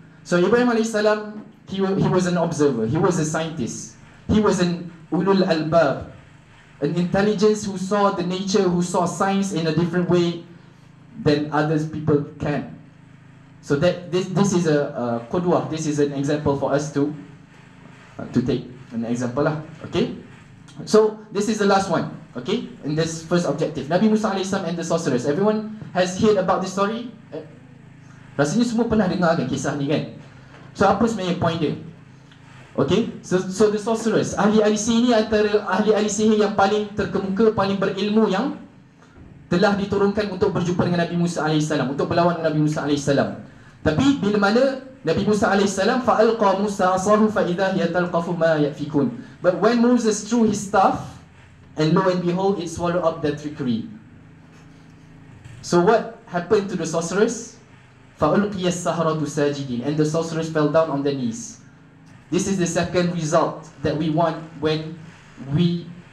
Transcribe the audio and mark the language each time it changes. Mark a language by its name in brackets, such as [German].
[English] So Ibrahim alayhi salam, he was an observer, he was a scientist, he was an ulul albab, an intelligence who saw the nature, who saw science in a different way than other people can. So that this is a qudwa, this is an example for us to take an example lah, okay? So this is the last one, okay? In this first objective, Nabi Musa alayhi salam and the sorcerers. Everyone has heard about this story? [Malay] Rasanya semua pernah dengar kan kisah ni kan? So apa sebenarnya point dia? [English] Okay, so the sorcerers, [Malay] ahli-ahli sihir ni antara ahli-ahli sihir yang paling terkemuka, paling berilmu yang telah diturunkan untuk berjumpa dengan Nabi Musa AS, untuk berlawan dengan Nabi Musa AS. Tapi bila mana [Arabic] Nabi Musa AS, فَأَلْقَى مُسَى عَصَاهُ فَإِذَا هِيَ تَلْقَفُ مَا يَأْفِكُونَ. [English] But when Moses threw his staff, and lo and behold, it swallowed up their trickery. So what happened to the sorcerers? [Arabic] فَأُلْقِيَ السَّهْرَةُ سَاجِدِينَ. [English] And the sorcerers fell down on their knees. This is the second result that we want when we